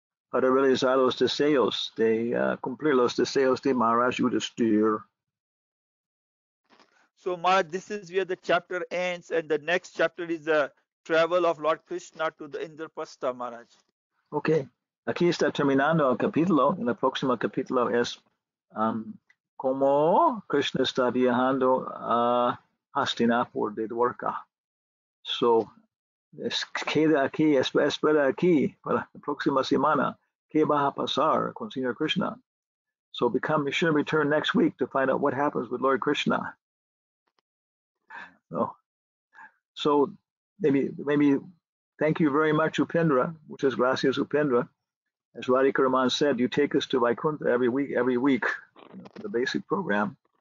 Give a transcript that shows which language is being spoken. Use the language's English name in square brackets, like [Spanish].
[Spanish] Para realizar los deseos de cumplir los deseos de Maharaj Yudhishthira. [English] So Maharaj, this is where the chapter ends, and the next chapter is the travel of Lord Krishna to the Indraprastha, Maharaj. [Spanish] Okay. Aquí está terminando el capítulo. En el próximo capítulo es cómo Krishna está viajando a Hastinapur de Dwarka. So, queda aquí, espera aquí para la próxima semana. ¿Qué va a pasar con Señor Krishna? [English] So, become sure to return next week to find out what happens with Lord Krishna. So maybe thank you very much, Upendra. [Spanish] Muchas gracias, [English] Upendra. As Radhika Raman said, you take us to Vaikuntha every week, for the basic program.